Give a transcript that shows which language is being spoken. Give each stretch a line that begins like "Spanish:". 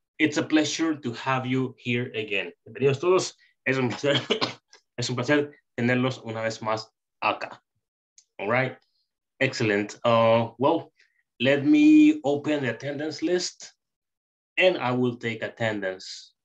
English: It's a pleasure to have you here again.
Spanish: Bienvenidos todos. Es un placer tenerlos una vez más acá.
English: All right. Excellent. Well, let me open the attendance list and I will take attendance.